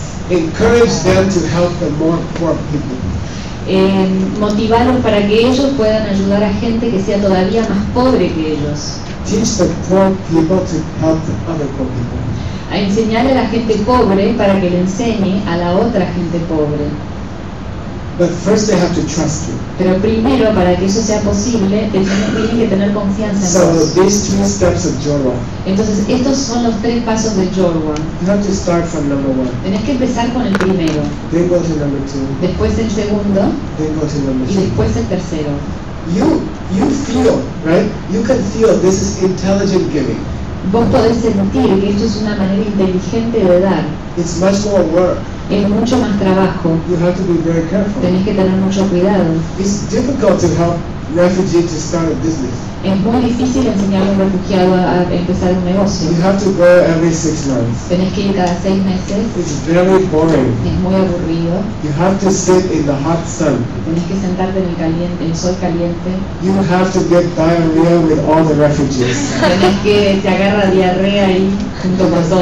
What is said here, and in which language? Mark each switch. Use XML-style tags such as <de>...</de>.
<en>Encourage them to help the more poor people.</en> <es>Motivarlos para que ellos puedan ayudar a gente que sea todavía más pobre que ellos.</es> <en>Teach the poor people to help the other poor people.</en> <es>A enseñar a la gente pobre para que le enseñe a la otra gente pobre.</es> <en>But first they have to trust you.</en> <es>Pero primero, para que eso sea posible, tienen que tener confianza en vos.</es> <en>These three steps of Jorwa.</en> <es>Entonces, estos son los tres pasos de Jorwa.</es> <en>You have to start from number one.</en> <es>Tenés que empezar con el primero.</es> <en>Then go to number two.</en> <es>Después el segundo.</es> <en>Then go to number three.</en> <es>Y después el tercero.</es> <en>You feel, right? You can feel this is intelligent giving.</en> <es>Vos podés sentir que esto es una manera inteligente de dar.</es> <en>It's much more work.</en> <es>Es mucho más trabajo.</es> <en>You have to be very careful.</en> <es>Tenés que tener mucho cuidado.</es> <en>It's difficult to help refugees to start a business.</en> <es>Es muy difícil enseñar a un refugiado a empezar un negocio.</es> <en>You have to go every 6 months.</en> <es>Tenés que ir cada 6 meses.</es> <en>It's very boring.</en> <es>Es muy aburrido.</es> <en>You have to sit in the hot sun.</en> <es>Tenés que sentarte en el sol caliente.</es> <en>You have to get diarrhea with all the refugees.</en> <es>Tenés que te agarra diarrhea ahí junto con todos.</es>